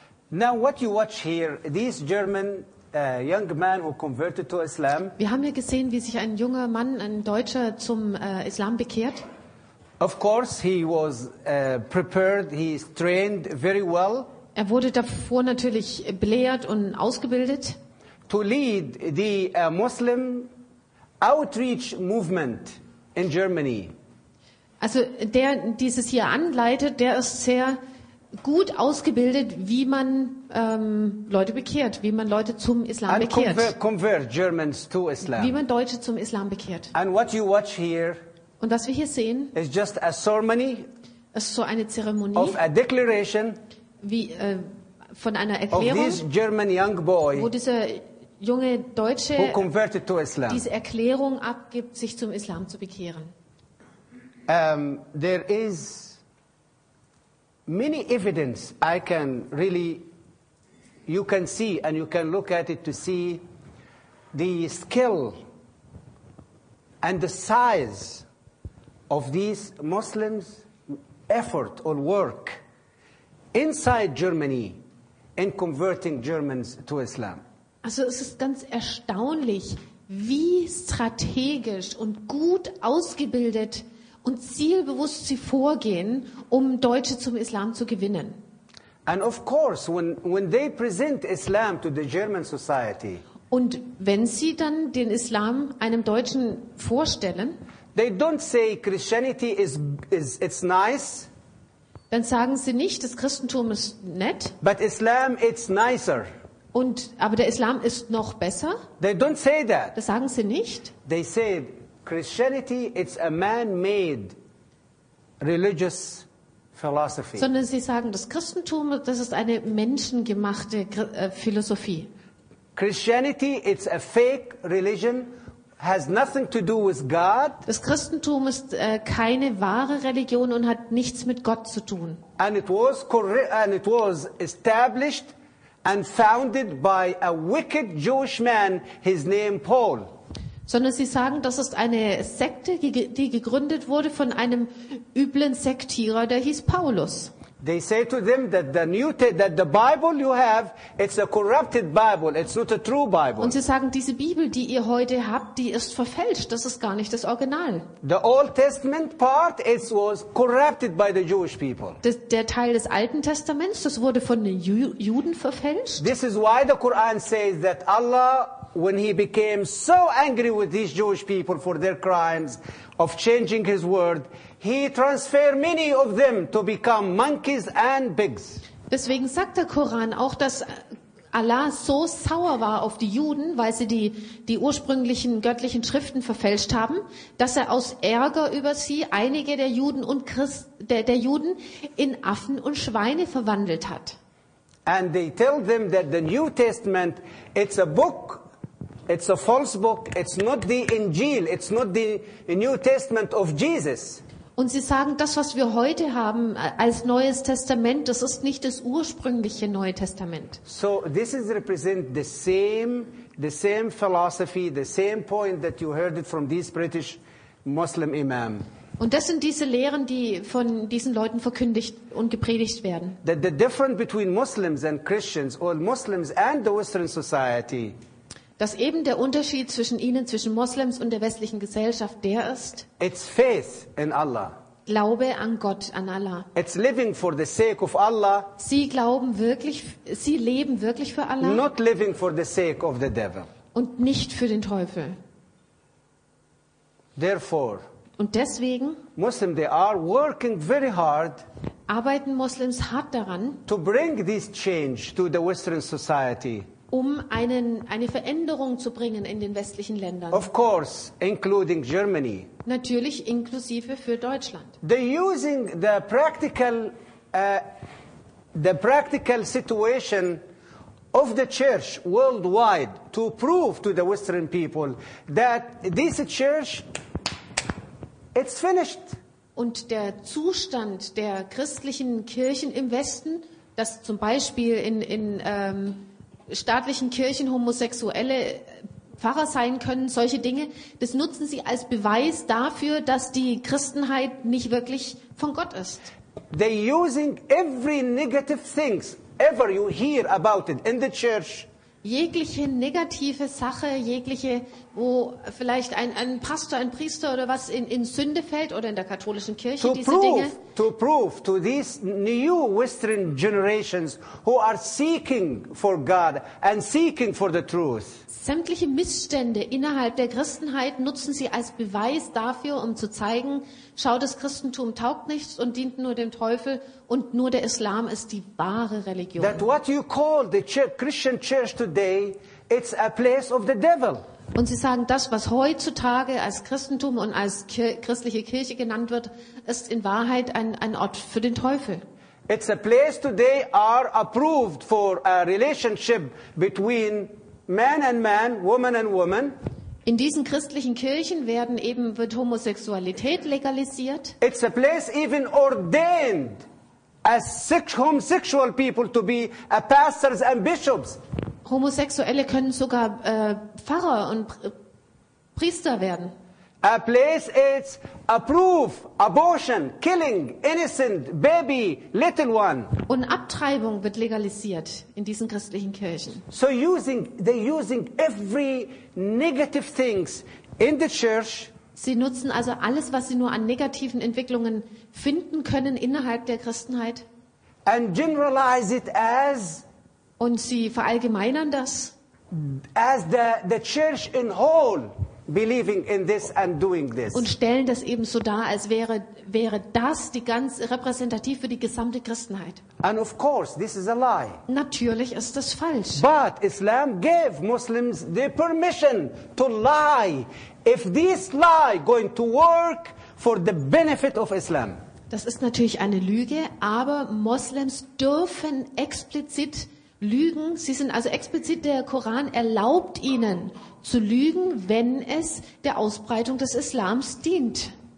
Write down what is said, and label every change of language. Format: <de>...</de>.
<en>Now what you watch here, this German young man who converted to Islam.</en> <de>Wir haben hier gesehen, wie sich ein junger Mann, ein Deutscher, zum Islam bekehrt.</de> <en>Of course, he was prepared. He is trained very well.</en> <de>Er wurde davor natürlich belehrt und ausgebildet.</de> <en>To lead the Muslim outreach movement in Germany.</en> <de>Also der dieses hier anleitet, der ist sehr gut ausgebildet, wie man Leute bekehrt, wie man Leute zum Islam bekehrt.</de> <en>Convert Germans to Islam.</en> <de>Wie man Deutsche zum Islam bekehrt.</de> <en>And what you watch here,</en> <de>und was wir hier sehen,</de> <en>is just a ceremony,</en> <de>ist so eine Zeremonie</de> <en>of a declaration,</en> <de>wie, von einer Erklärung,</de> <en>of this German young boy,</en> <de>wo dieser junge Deutsche</de> <en>who converted to Islam.</en> <de>Diese Erklärung abgibt, sich zum Islam zu bekehren.</de> <en>There is many evidence I can really, you can see and you can look at it to see the skill and the size of these Muslims' effort or work inside Germany in converting Germans to Islam.</en> <de>Also es ist ganz erstaunlich, wie strategisch und gut ausgebildet und zielbewusst sie vorgehen, um Deutsche zum Islam zu gewinnen.</de> <en>And of course, when they present Islam to the German society.</en> <de>Und wenn sie dann den Islam einem Deutschen vorstellen,</de> <en>they don't say Christianity is it's nice.</en> <de>Dann sagen sie nicht, das Christentum ist nett.</de> <en>But Islam it's nicer.</en> <de>Und aber der Islam ist noch besser.</de> <en>They don't say that.</en> <de>Das sagen sie nicht.</de> <en>They say Christianity it's a man-made religious philosophy.</en> <de>Sondern sie sagen, das Christentum, das ist eine menschengemachte Philosophie.</de> <en>Christianity it's a fake religion. Has nothing to do with God.</en> <de>Das Christentum ist keine wahre Religion und hat nichts mit Gott zu tun.</de> <en>And it was established and founded by a wicked Jewish man, his name Paul.</en> <de>Sondern sie sagen, das ist eine Sekte, die gegründet wurde von einem üblen Sektierer, der hieß Paulus.</de> <en>They say to them that the Bible you have, it's a corrupted Bible, it's not a true Bible.</en> <de>Und sie sagen, diese Bibel, die ihr heute habt, die ist verfälscht, das ist gar nicht das Original.</de> <en>The Old Testament part, it was corrupted by the Jewish people.</en> <de>Der Teil des Alten Testaments, das wurde von den Juden verfälscht.</de> <en>This is why the Quran says that Allah, when he became so angry with these Jewish people for their crimes of changing his word, he transferred many of them to become monkeys and pigs.</en> <de>Deswegen sagt der Koran auch, dass Allah so sauer war auf die Juden, weil sie die ursprünglichen göttlichen Schriften verfälscht haben, dass er aus Ärger über sie einige der Juden und der Juden in Affen und Schweine verwandelt hat.</de> <en>And they tell them that the New Testament, it's a book. It's a false book. It's not the Injil. It's not the New Testament of Jesus.</en> <de>Und sie sagen, das, was wir heute haben als Neues Testament, das ist nicht das ursprüngliche Neue Testament.</de> <en>So this is represent the same philosophy, the same point that you heard it from these British Muslim imam.</en> <de>Und das sind diese Lehren, die von diesen Leuten verkündigt und gepredigt werden.</de> <en>That the difference between Muslims and Christians or Muslims and the Western society.</en> <de>Dass eben der Unterschied zwischen ihnen, zwischen Moslems und der westlichen Gesellschaft, der ist</de> <en>it's faith in Allah.</en> <de>Glaube an Gott, an Allah.</de> <en>It's living for the sake of Allah.</en> <de>Sie glauben wirklich, sie leben wirklich für Allah.</de> <en>Not living for the sake of the devil.</en> <de>Und nicht für den Teufel.</de> <en>Therefore,</en> <de>und deswegen</de> <en>Muslims, they are working very hard,</en> <de>arbeiten Moslems hart daran,</de> <en>to bring this change to the Western society.</en> <de>Um eine Veränderung zu bringen in den westlichen Ländern.</de> <en>Of course, including Germany.</en> <de>Natürlich inklusive für Deutschland.</de> <en>They're using the practical situation of the church worldwide to prove to the Western people that this church, it's finished.</en> <de>Und der Zustand der christlichen Kirchen im Westen, dass zum Beispiel in staatlichen Kirchen homosexuelle Pfarrer sein können, solche Dinge, das nutzen sie als Beweis dafür, dass die Christenheit nicht wirklich von Gott ist.</de> <en>They're using every negative things ever you hear about it in the church.</en> <de>Jegliche negative Sache, jegliche, wo vielleicht ein Pastor, ein Priester oder was in Sünde fällt oder in der katholischen Kirche,</de> <en>to prove to these new Western generations who are seeking for God and seeking for the truth.</en> <de>Sämtliche Missstände innerhalb der Christenheit nutzen sie als Beweis dafür, um zu zeigen, schau, das Christentum taugt nichts und dient nur dem Teufel und nur der Islam ist die wahre Religion.</de> <en>That what you call the Christian church today, it's a place of the devil.</en> <de>Und sie sagen, das, was heutzutage als Christentum und als christliche Kirche genannt wird, ist in Wahrheit ein Ort für den Teufel.</de> <en>It's a place today are approved for a relationship between man and man, woman and woman.</en> <de>In diesen christlichen Kirchen wird Homosexualität legalisiert.</de> <en>It's a place even ordained as homosexual people to be a pastors and bishops.</en> <de>Homosexuelle können sogar Pfarrer und Priester werden.</de> <en>a place it's approve abortion, killing innocent baby, little one.</en> <de>Und Abtreibung wird legalisiert in diesen christlichen Kirchen.</de> <en>So they're using every negative things in the church.</en> <de>Sie nutzen also alles, was sie nur an negativen Entwicklungen finden können innerhalb der Christenheit.</de> <en>And generalize it as.</en> <de>Und sie verallgemeinern das.</de> <en>As the church in whole. Believing in this and doing this.</en> <de>Und stellen das eben so dar, als wäre das die ganz repräsentativ für die gesamte Christenheit.</de> <en>And of course, this is a lie.</en> <de>Natürlich ist das falsch.</de> <en>But Islam gave Muslims the permission to lie, if this lie going to work for the benefit of Islam.</en> <de>Das ist natürlich eine Lüge, aber Muslims dürfen explizit lügen. Sie sind also explizit, der Koran erlaubt ihnen zu lügen, wenn es der Ausbreitung des Islams dient.</de>